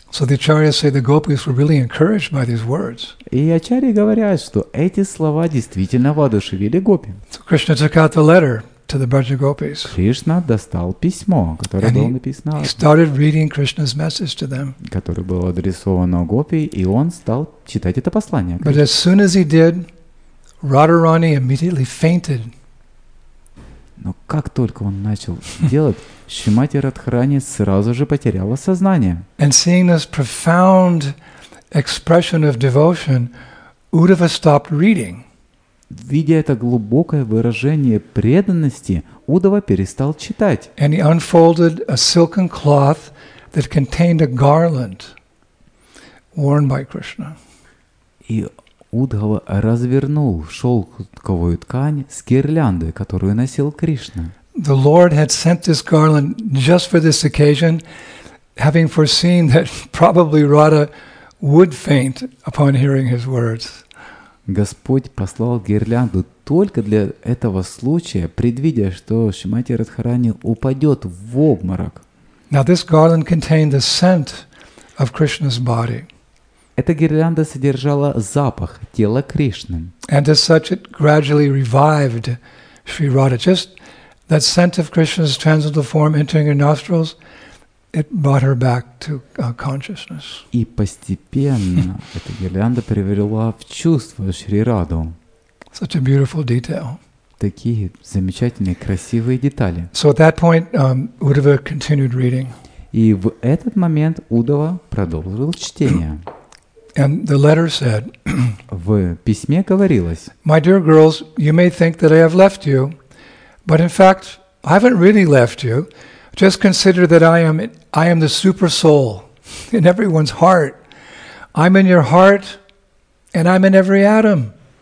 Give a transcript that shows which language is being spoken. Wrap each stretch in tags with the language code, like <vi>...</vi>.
<en>So the acharyas say the gopis were really encouraged by these words.</en> <ru>И ачарьи говорят, что эти слова действительно воодушевили гопи.</ru> <en>So Krishna took out the letter to the Braja gopis.</en> <ru>Кришна достал письмо, которое было написано.</ru> <en>He started reading Krishna's message to them.</en> <ru>Которое было адресовано гопи, и он стал читать это послание.</ru> <en>But as soon as he did, Radharani immediately fainted.</en> <ru>Но как только он начал делать, Шримати Радхарани сразу же потеряла сознание.</ru> <en>And seeing this profound expression of devotion, Uddhava stopped reading.</en> <ru>Видя это глубокое выражение преданности, Уддхава перестал читать.</ru> <en>And he unfolded a silken cloth that contained a garland worn by Krishna.</en> <ru>Уддхава развернул шелковую ткань с гирляндой, которую носил Кришна.</ru> <en>the Lord had sent this garland just for this occasion, having foreseen that probably Radha would faint upon hearing his words.</en> <ru>Господь послал гирлянду только для этого случая, предвидя, что Шимати Радхарани упадет в обморок.</ru> <en>Now this garland contained the scent of Krishna's body.</en> <ru>Эта гирлянда содержала запах тела Кришны.</ru> <en>And as such, it gradually revived Sri Radha. Just that scent of Krishna's transcendental form entering her nostrils, it brought her back to consciousness.</en> <ru>И постепенно эта гирлянда привела в чувство Шри Раду.</ru> <en>Such a beautiful detail.</en> <ru>Такие замечательные, красивые детали.</ru> <en>So at that point, Uddhava continued reading.</en> <ru>И в этот момент Удава продолжил чтение.</ru> <en>And the letter said,</en> <ru>в письме говорилось,</ru> <en>My dear girls, you may think that I have left you, but in fact, I haven't really left you. Just consider that I am the super soul in everyone's heart. I'm in your heart, and I'm in every atom.</en>